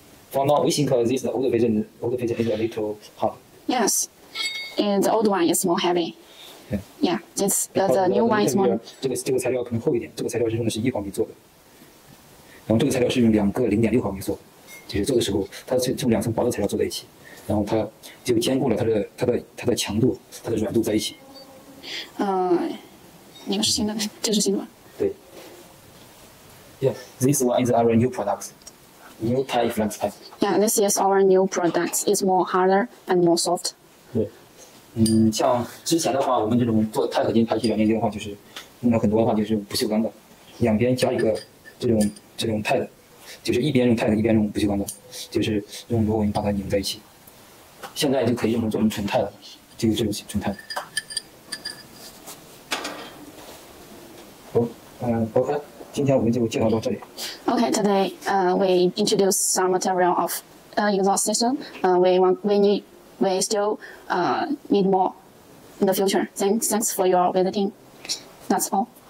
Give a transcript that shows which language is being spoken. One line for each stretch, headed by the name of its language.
English: For now, we think this old version is a little hard. Yes, and the old one is more heavy. Yeah, yeah. The new one is more.
Chinese: 这个材料可能厚一点。这个材料是用的是一毫米做的，然后这个材料是用两个0.6毫米做的，就是做的时候它是用两层薄的材料做在一起，然后它就兼顾了它的强度、它的软度在一起。那个是新的，这是新的。
English: 对。Yeah, this one is our new product. New tie flex pad. Yeah, this is our new product. It's more harder and more soft.
Chinese: 对，像之前的话，我们这种做钛合金排气软件的话，就是用了很多的话就是不锈钢的，两边加一个这种钛的，就是一边用 tag 一边用不锈钢的，就是用螺纹把它拧在一起，现在就可以用它做成纯钛了，就是这种纯钛。 OK， 今天我们就介绍到这里。
English: Okay, today, we introduce some material of, exhaust system. We still, need more in the future. Thanks for your visiting. That's all.